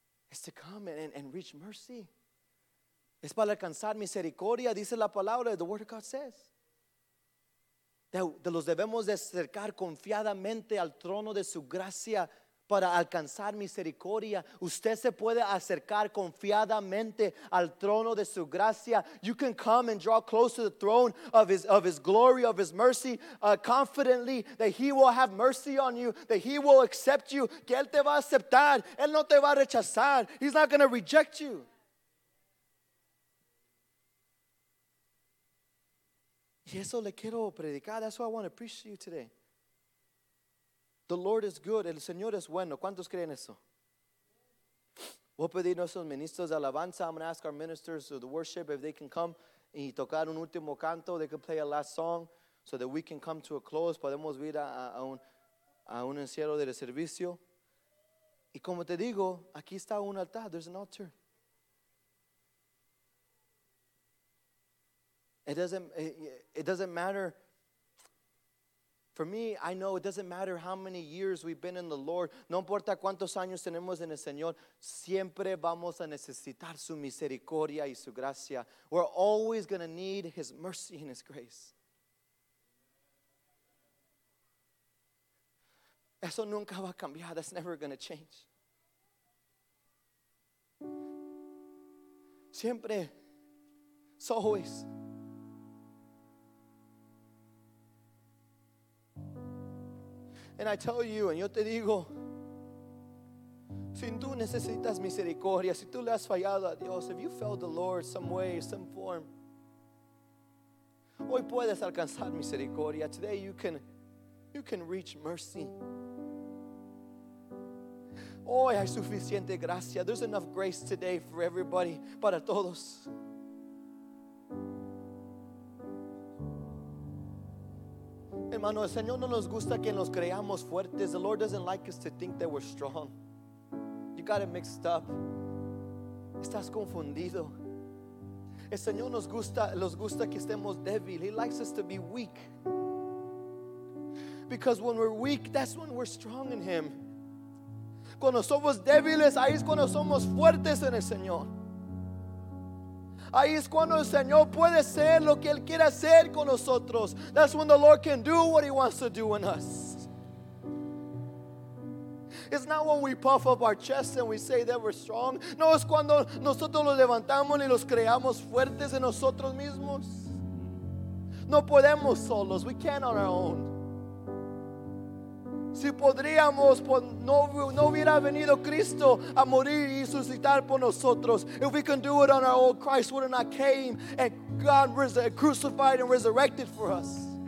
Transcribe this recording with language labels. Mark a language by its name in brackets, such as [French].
[English] It's to come and reach mercy. [Spanish] Es para alcanzar misericordia, dice la palabra, [English] the word of God says. [Spanish] De los debemos de acercar confiadamente al trono de su gracia. Para alcanzar misericordia, usted se puede acercar confiadamente al trono de su gracia. [English] You can come and draw close to the throne of his glory, of his mercy, confidently that he will have mercy on you, that he will accept you, [Spanish] que él te va a aceptar, él no te va a rechazar, [English] he's not going to reject you. [Spanish] Y eso le quiero predicar, [English] that's what I want to preach to you today. The Lord is good. [Spanish] El Señor es bueno. ¿Cuántos creen eso? Voy a pedir a nuestros ministros de alabanza. [English] I'm going to ask our ministers of the worship if they can come [Spanish] y tocar un último canto. [English] They can play a last song so that we can come to a close. [Spanish] Podemos ir a un encierro del servicio. Y como te digo, aquí está un altar. [English] There's an altar. It doesn't matter. For me, I know it doesn't matter how many years we've been in the Lord. [Spanish] No importa cuántos años tenemos en el Señor. Siempre vamos a necesitar su misericordia y su gracia. [English] We're always going to need his mercy and his grace. [Spanish] Eso nunca va a cambiar. [English] That's never going to change. Siempre. It's always. And I tell you, and [Spanish] yo te digo, si tú necesitas misericordia, si tú le has fallado a Dios, [English] if you failed the Lord some way, some form, [Spanish] hoy puedes alcanzar misericordia. [English] Today you can reach mercy. [Spanish] Hoy hay suficiente gracia. [English] There's enough grace today for everybody, [Spanish] para todos. Hermano, el Señor no nos gusta que nos creamos fuertes. [English] The Lord doesn't like us to think that we're strong. You got it mixed up. [Spanish] Estás confundido. El Señor nos gusta que estemos débil. [English] He likes us to be weak. Because when we're weak, that's when we're strong in him. [Spanish] Cuando somos débiles, ahí es cuando somos fuertes en el Señor. Ahí es cuando el Señor puede hacer lo que Él quiere hacer con nosotros. [English] That's when the Lord can do what He wants to do in us. It's not when we puff up our chest and we say that we're strong. [Spanish] No, es cuando nosotros los levantamos y los creamos fuertes en nosotros mismos. No podemos solos. [English] We can't on our own. [Spanish] Si podríamos, no hubiera venido Cristo a morir y resucitar por nosotros. [English] If we can do it on our own, Christ would have not came and God crucified and resurrected for us.